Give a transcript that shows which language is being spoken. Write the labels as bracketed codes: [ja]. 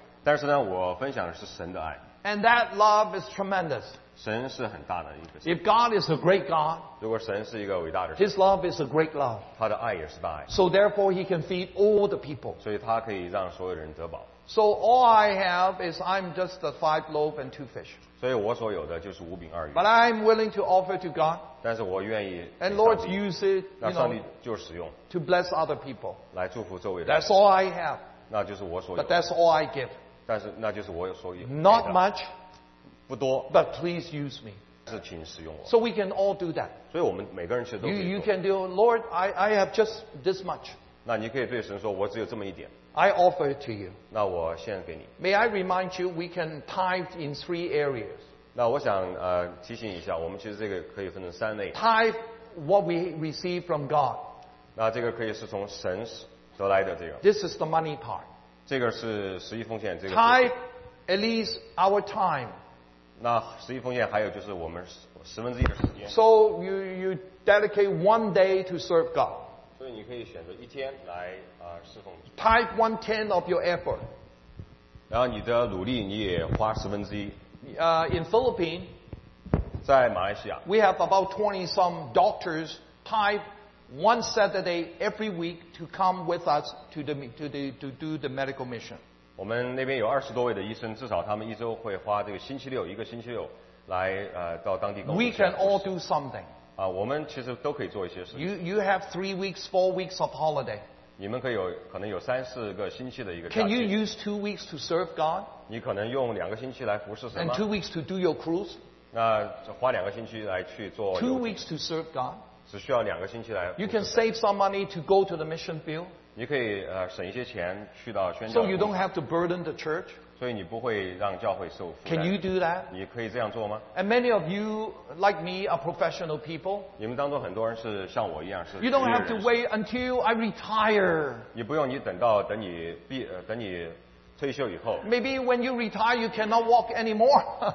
[zh] 但是呢，我分享的是神的爱。 [en] And that love is tremendous. [zh] 神是很大的一个。 [en] If God is a great God, [zh] 如果神是一个伟大的神 [en] His love is a great love. [zh] 他的爱也是大爱。 [en] So therefore, He can feed all the people. [zh] 所以他可以让所有人得饱。 [en] So all I have is I'm just the five loaves and two fish. [zh] 所以我所有的就是五饼二鱼。 [en] But I'm willing to offer to God. [zh] 但是我愿意。 [en] And Lord use it. [zh] 那上帝就使用。 [en] To bless other people. [zh] 来祝福周围的。 [en] That's all I have. [zh] 那就是我所有。 [en] But that's all I give. [zh] 但是那就是我所有。 [en] Not much. [zh] 不多。 [en] But please use me. [zh] 是请使用我。 [en] So we can all do that. [zh] 所以我们每个人其实都可以做。 [en] You can do, Lord, I have just this much. [zh] 那你可以对神说，我只有这么一点。 [en] I offer it to you. [zh] 那我献给你。 [en] May I remind you, we can tithe in three areas. [zh] 那我想提醒一下，我们其实这个可以分成三类。 [en] Tithe what we receive from God. [zh] 那这个可以是从神得来的这个。 [en] This is the money part. [zh] 这个是十一奉献。这个。 [en] Tithe at least our time. [zh] 那十一奉献还有就是我们十分之一的时间。 [en] So you dedicate one day to serve God. [zh] 所以你可以选择一天来侍奉。 [en] Type one tenth of your effort. [zh] 然后你的努力你也花十分之一。 [en] In Philippines, [zh] 在马来西亚 [en] we have about 20 some doctors type one Saturday every week to come with us to do the medical mission. [zh] 我们那边有二十多位的医生，至少他们一周会花这个星期六一个星期六来到当地。 [en] We can all do something. [zh] 我们其实都可以做一些事情。 [en] You have 3 weeks, 4 weeks of holiday. [zh] 你们可能有三四个星期的一个假期。 [en] Can you use 2 weeks to serve God? [zh] 你可能用两个星期来服侍神吗？ [en] And 2 weeks to do your cruise? [zh] 那花两个星期来去做。 [en] 2 weeks to serve God? [zh] 只需要两个星期来服侍神。 [en] You can save some money to go to the mission field. [zh] 你可以省一些钱去到宣教。 [en] So you don't have to burden the church. [zh] 所以你不会让教会受负担。 [en] Can you do that? [zh] 你可以这样做吗？ [en] And many of you, like me, are professional people. [zh] 你们当中很多人是像我一样是。 [en] You don't have to wait until I retire. [zh] 你不用你等到等你毕等你退休以后。 [en] Maybe when you retire, you cannot walk anymore.